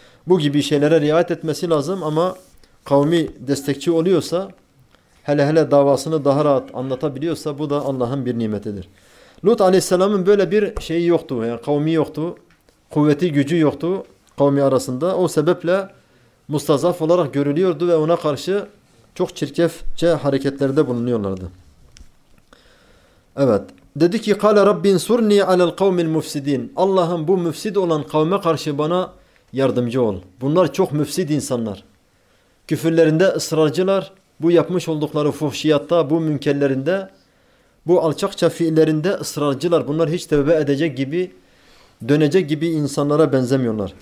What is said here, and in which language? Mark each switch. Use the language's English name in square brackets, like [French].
[Turkish] Bu gibi şeylere riayet etmesi lazım ama kavmi destekçi oluyorsa, hele hele davasını daha rahat anlatabiliyorsa bu da Allah'ın bir nimetidir. Lut aleyhisselamın böyle bir şeyi yoktu. Yani kavmi yoktu. Kuvveti, gücü yoktu kavmi arasında. O sebeple mustazaf olarak görülüyordu ve ona karşı çok çirkefçe hareketlerde bulunuyorlardı. Evet. Dedi ki [Arabic] قال رب انصرني على القوم المفسدين. [Turkish] Allah'ım bu müfsid olan kavme karşı bana yardımcı ol. Bunlar çok müfsid insanlar. Küfürlerinde ısrarcılar. Bu yapmış oldukları fuhşiyatta, bu münkerlerinde, bu alçakça fiillerinde ısrarcılar. Bunlar hiç tevbe edecek gibi, dönecek gibi insanlara benzemiyorlar.